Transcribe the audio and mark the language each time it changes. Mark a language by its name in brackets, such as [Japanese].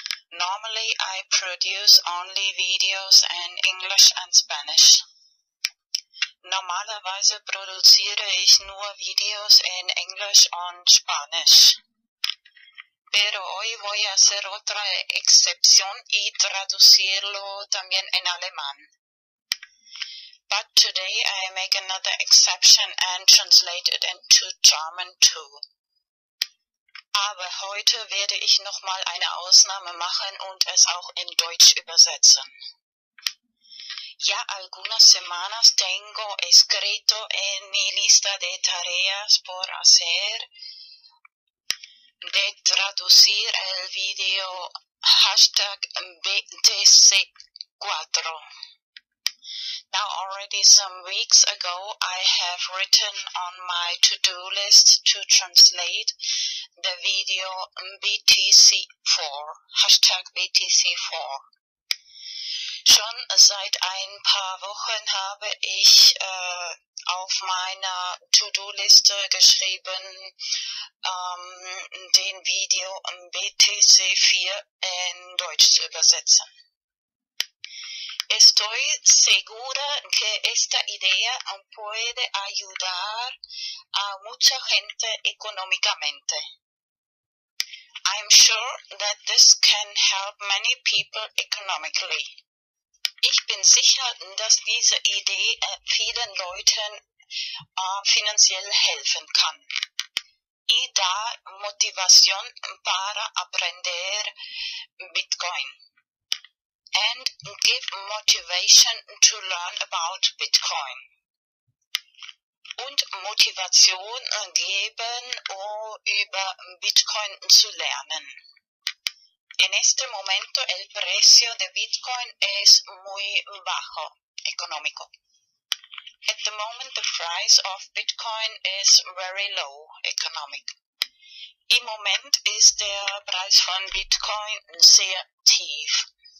[English] normally I produce only videos in English and Spanish. [German] Normalerweise produziere ich nur Videos in Englisch und Spanisch. [Spanish] Pero hoy voy a hacer otra excepción y traducirlo también en alemán. [English] But today I make another exception and translate it into German too. [German] Aber heute werde ich nochmal eine Ausnahme machen und es auch in Deutsch übersetzen. [Spanish] Ya algunas semanas tengo escrito en mi lista de tareas por hacer de traducir el video hashtag BTC4. [English] Now already some weeks ago I have written on my to-do list to translate the video BTC4, hashtag BTC4. [German] Schon seit ein paar Wochen habe ich auf meiner To-Do-Liste geschrieben, den Video BTC4 in Deutsch zu übersetzen. [Spanish] Estoy segura que esta idea puede ayudar a mucha gente económicamente. [English] I'm sure that this can help many people economically. [German] Ich bin sicher, dass diese Idee vielen Leuten finanziell helfen kann. [Spanish] Y da motivación para aprender Bitcoin. [English] And give motivation to learn about Bitcoin. [German] Und Motivation geben, über Bitcoin zu lernen. [Spanish] En este momento el precio de Bitcoin es muy bajo, económico. [English] At the moment the price of Bitcoin is very low, economic. [German] Im Moment ist der Preis von Bitcoin sehr tief.